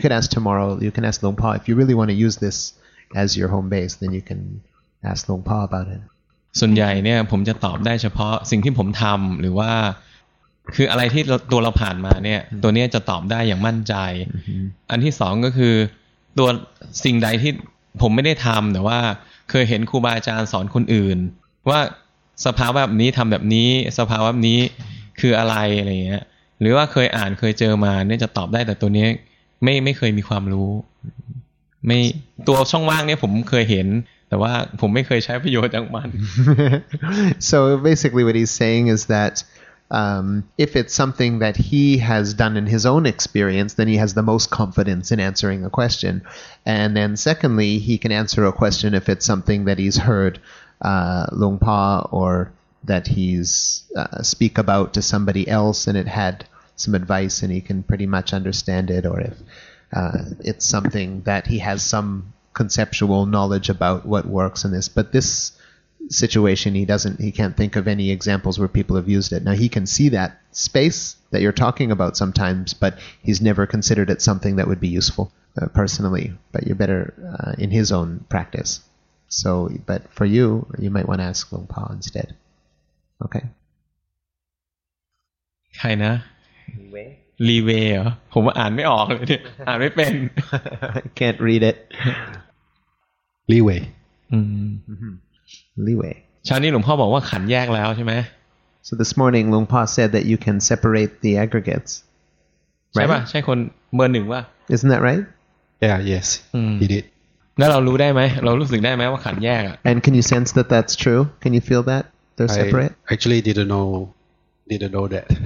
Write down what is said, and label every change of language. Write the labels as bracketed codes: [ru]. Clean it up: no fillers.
[en] can ask tomorrow you can ask Long Pa if you really want to use this as your home base then you can ask Long Pa about it [th] ส่วนใหญ่เนี่ยผมจะตอบได้เฉพาะสิ่งที่ผมทำหรือว่าคืออะไรที่ตัวเราผ่านมาเนี่ยตัวนี้จะตอบได้อย่างมั่นใจ mm-hmm. อันที่สองก็คือตัวสิ่งใดที่ผมไม่ได้ทำแต่ว่าเคยเห็นครูบาอาจารย์สอนคนอื่นว่าสภาวะแบบนี้ทำแบบนี้สภาวะแบบนี้คืออะไรอะไรเงี้ยหรือว่าเคยอ่านเคยเจอมาเนี่ยจะตอบได้แต่ตัวนี้ไม่เคยมีความรู้ไม่ตัวช่องว่างเนี่ยผมเคยเห็นแต่ว่าผมไม่เคยใช้ประโยชน์จากมัน [en] So basically what he's saying is that if it's something that he has done in his own experience then he has the most confidence in answering a question and then secondly he can answer a question if it's something that he's heard Long Pa or that he's speak about to somebody else and it had some advice and he can pretty much understand it or if it's something that he has someconceptual knowledge about what works in this but this situation he can't think of any examples where people have used it now he can see that space that you're talking about sometimes but he's never considered it something that would be useful personally but you're better in his own practice so but for you you might want to ask Long Pa instead okay [th] ใครนะลีเวเหรอผมอ่านไม่ออกเลยเนี่ยอ่านไม่เป็น [en] can't read it Leeway. Leeway. [th] ชานี้หลวงพ่อบอกว่าขันแยกแล้วใช่ไหม [en] So this morning, Long Pa said that you can separate the aggregates. [th] ใช่ป่ะใช่คนเบอร์หนึ่งว่า [en] Isn't that right? Yeah, yes. He did. [th] แล้วเรารู้ได้ไหมเรารู้สึกได้ไหมว่าขันแยกอ่ะ [en] And can you sense that that's true? Can you feel that they're separate? I actually didn't know that.